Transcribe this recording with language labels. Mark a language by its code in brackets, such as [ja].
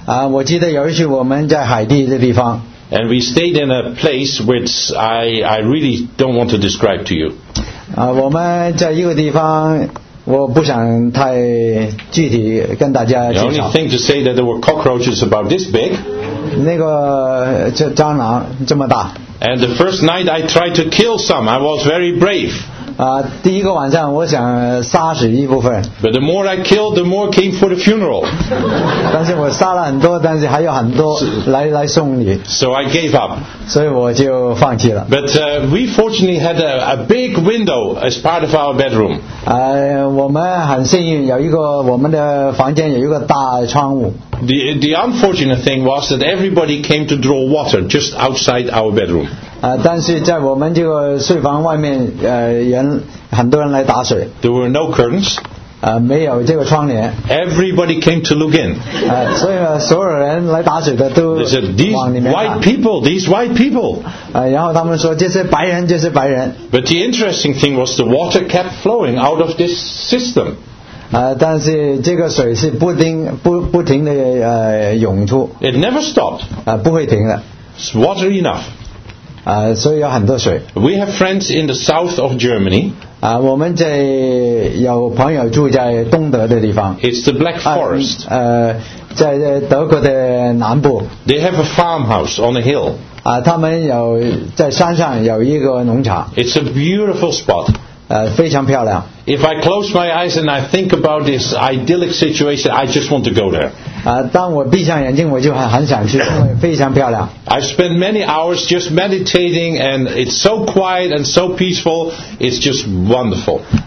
[zh] 我记得有一次我们在海地的地方。 [en] And we stayed in a place which I really don't want to describe to you. [zh] 我们在一个地方。我不想太具体跟大家介绍。 [en] The only thing to say that there were cockroaches about this big. [zh] 那个蟑螂这么大。 [en] And the first night I tried to kill some. I was very brave. [zh] 第一个晚上我想杀死一部分。 [en] But the more I killed, the more came for the funeral. [zh] 但是我杀了很多，但是还有很多来送礼。 [en] So I gave up. [zh] 所以我就放弃了。 [en] But we fortunately had a big window as part of our bedroom. [zh] 我们很幸运，有一个我们的房间有一个大窗户。 [en] The unfortunate thing was that everybody came to draw water just outside our bedroom. [zh] 但是在我们这个睡房外面，人很多人来打水。 [en] There were no curtains. [zh] 没有这个窗帘。 [en] Everybody came to look in. [zh] 所以所有人来打水的都往里面看。 [en] They said, these white people, these white people. [zh] 然后他们说这些白人，这些白人。 [en] But the interesting thing was the water kept flowing out of this system. [zh] 但是这个水是不停的涌出。 [en] It never stopped. [zh] 不会停的。 [en] It's water enough. [zh] 所以有很多水。 [en] We have friends in the south of Germany. [zh] 我们在有朋友住在东德的地方。 [en] It's the Black Forest. [zh] 在德国的南部。 [en] They have a farmhouse on a hill. [zh] 他们有在山上有一个农场。 [en] It's a beautiful spot. [zh] 非常漂亮。 [en] If I close my eyes and I think about this idyllic situation, I just want to go there. [zh] 当我闭上眼睛我就很想去，因为非常漂亮。 [en] I spend many hours just meditating and it's so quiet and so peaceful, it's just wonderful.